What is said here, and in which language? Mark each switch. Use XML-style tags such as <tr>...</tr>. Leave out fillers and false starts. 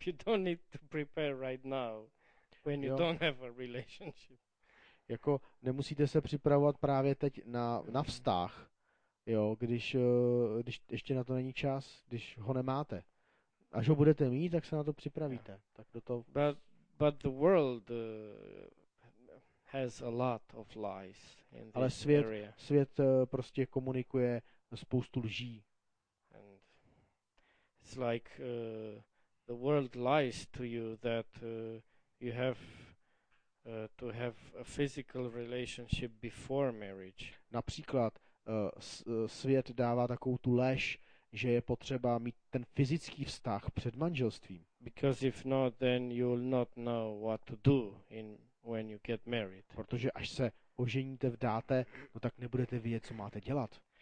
<en>You don't need to prepare right now when you don't have a relationship.</en> <cs>Jako nemusíte se připravovat právě teď na vztah, jo, když ještě na to není čas, když ho nemáte. Až ho budete mít, tak se na to připravíte. Yeah. Tak do toho.</cs> <en>But the world has a lot of lies in this</en> <cs>ale svět,</cs> <en>area.</en> <cs>Svět prostě komunikuje spoustu lží.</cs> <en>And it's like the world lies to you that you have to have a physical relationship before marriage.</en> <cs>Například svět dává takovou tu lež, že je potřeba mít ten fyzický vztah před manželstvím.</cs> <en>Because if not, then you'll not know what to do when you get married.</en> <cs>Protože až se oženíte, vdáte, no tak nebudete vědět, co máte dělat.</cs>